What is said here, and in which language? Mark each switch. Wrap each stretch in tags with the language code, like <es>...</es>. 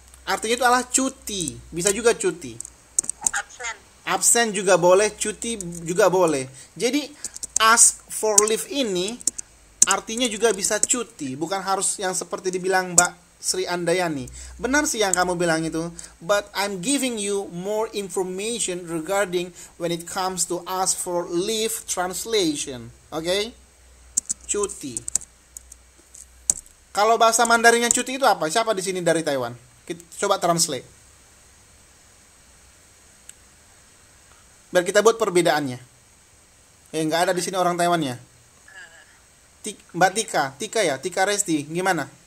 <id>Artinya itu adalah cuti. Bisa juga cuti. Absen juga boleh, cuti juga boleh. Jadi,</id> <en>ask for leave</en> <id>ini artinya juga bisa cuti. Bukan harus yang seperti dibilang Mbak Sri Andayani. Benar sih yang kamu bilang itu.</id> <en>But I'm giving you more information regarding when it comes to ask for leave translation.</en> <id>Okay? Cuti. Kalau bahasa Mandarinnya cuti itu apa? Siapa di sini dari Taiwan? Kita coba translate. Biar kita buat perbedaannya. Nggak ada di sini orang Taiwannya. Mbak Tika. Tika ya? Tika Resti. Gimana?</id>